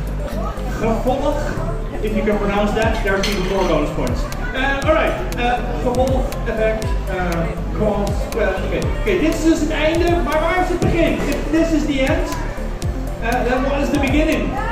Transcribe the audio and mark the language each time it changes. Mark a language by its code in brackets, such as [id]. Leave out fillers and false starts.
[en] Gevolg, if you can pronounce that, there's even more bonus points. [nl] Alright, gevolg, effect, cause, okay, [en] this is [nl] dus het einde, maar waar is het begin? [en] If this is the end, then what is the beginning?